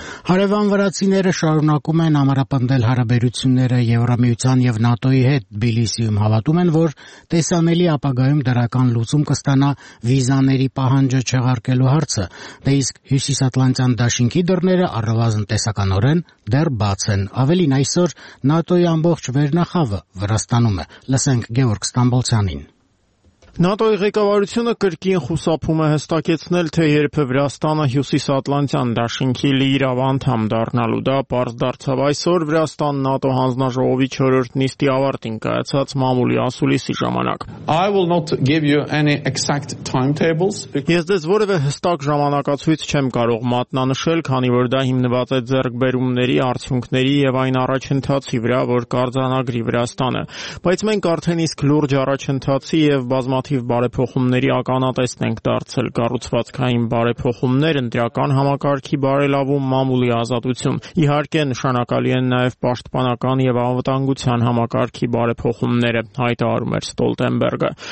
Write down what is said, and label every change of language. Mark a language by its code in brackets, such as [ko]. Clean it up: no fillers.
[hy] Հարևան վրացիները շարունակում են ամրապնդել հարաբերությունները Եվրամիության և ՆԱՏՕ-ի հետ։ Թբիլիսիում հավատում են, որ տեսանելի ապագայում դրական լուծում կստանա վիզաների պահանջը չեղարկելու հարցը, դե իսկ հյուսիսատլանտյան դաշինքի դռները առավազն տեսականորեն դեռ բաց են։ Ավելին, այսօր ՆԱՏՕ-ի ամբողջ վերնախավը Վրաստանում է։ Լսենք Գևորգ Ստամբոլցյանին։ ՆԱՏՕ-ի ղեկավարությունը կրկին խուսափում է հստակեցնել, թե երբևէ Վրաստանը հյուսիսատլանտյան դաշինքի լիիրավ անդամ դառնալու դա պարզ դարձավ այսօր Վրաստան ՆԱՏՕ հանձնաժողովի 4-րդ նիստի ավարտին կայացած մամուլի ասուլիսի ժամանակ։ [en] I will not give you any exact timetables because [hy] ես դες որևէ հստակ ժամանակացույց չեմ կարող մատնանշել, քանի որ դա հիմնված է ձեռքբերումների արդյունքների եւ այն առաջընթացի վրա, որ կարձանագրի Վրաստանը, բայց մենք արդեն իսկ լուրջ առաջընթացի եւ բազմաթիվ բարեփոխումների ականատեսնենք դարձել կառուցվածքային բարեփոխումներ, ընդդրական համակարգի բարելավում, մամուլի ազատություն։ Իհարկե նշանակալի են նաև պաշտպանական եւ անվտանգության համակարգի բարեփոխումները, հայտարարում էր Ստոլտենբերգը։